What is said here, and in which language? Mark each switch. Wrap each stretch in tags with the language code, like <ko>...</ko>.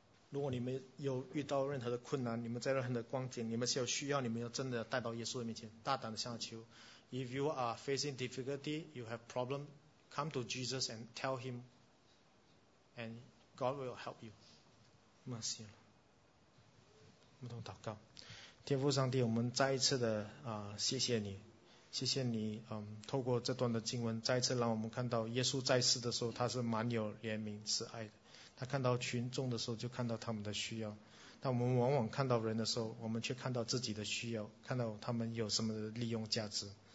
<zh>如果你们有遇到任何的困难，你们在任何的光景，你们是有需要，你们要真的带到耶稣的面前，大胆的向他求。</zh> <en>If you are facing difficulty, you have problem, come to Jesus and tell him, and God will help you.</en> <zh>Mercy. 我们同祷告。天父上帝，我们再一次的谢谢你，谢谢你，透过这段的经文，再一次让我们看到耶稣在世的时候，他是满有怜悯慈爱的。他看到群众的时候，就看到他们的需要。但我们往往看到人的时候，我们却看到自己的需要，看到他们有什么的利用价值。</zh>